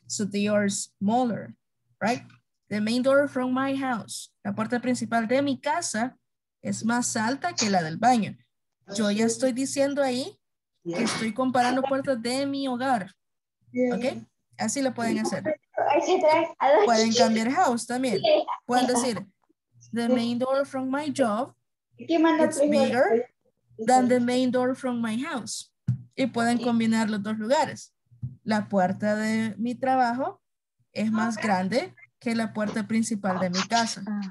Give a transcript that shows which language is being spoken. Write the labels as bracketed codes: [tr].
[en] So they are smaller, right? The main door from my house. [es] La puerta principal de mi casa es más alta que la del baño. Yo ya estoy diciendo ahí que estoy comparando puertas de mi hogar. ¿Ok? Así lo pueden hacer. Pueden cambiar house también. Pueden decir, [en] the main door from my job is bigger than the main door from my house. [es] Y pueden combinar los dos lugares. La puerta de mi trabajo es más grande que la puerta principal de mi casa.